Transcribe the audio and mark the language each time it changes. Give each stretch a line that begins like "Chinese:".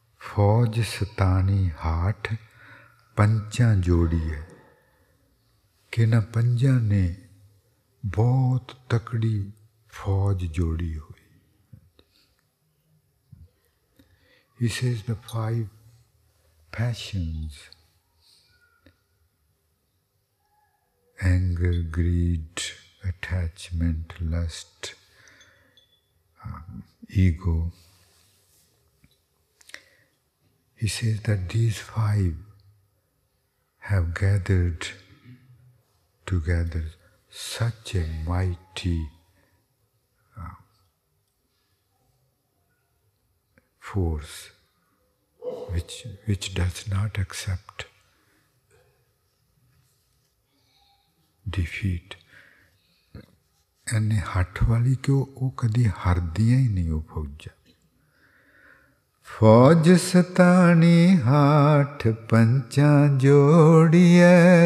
Punjabi: ਫੌਜ ਸਤਾਣੀ ਹਾਠ ਪੰਚਾਂ ਜੋੜੀ ਹੈ ਕਿ ਇਹਨਾਂ ਪੰਜਾਂ ਨੇ ਬਹੁਤ ਤਕੜੀ ਫੌਜ ਜੋੜੀ ਹੋਈ
English: This is the five passions, anger, greed, attachment, lust, ego. He says that these five have gathered together such a mighty force which does not accept defeat.
Punjabi: ਇੰਨੀ ਹੱਠ ਵਾਲੀ ਕਿ ਉਹ ਕਦੀ ਹਾਰਦੀਆਂ ਹੀ ਨਹੀਂ ਉਹ ਫੌਜਾਂ ਫੌਜ ਸਤਾਣੀ ਹਾਠ ਪੰਚਾਂ ਜੋੜੀਐ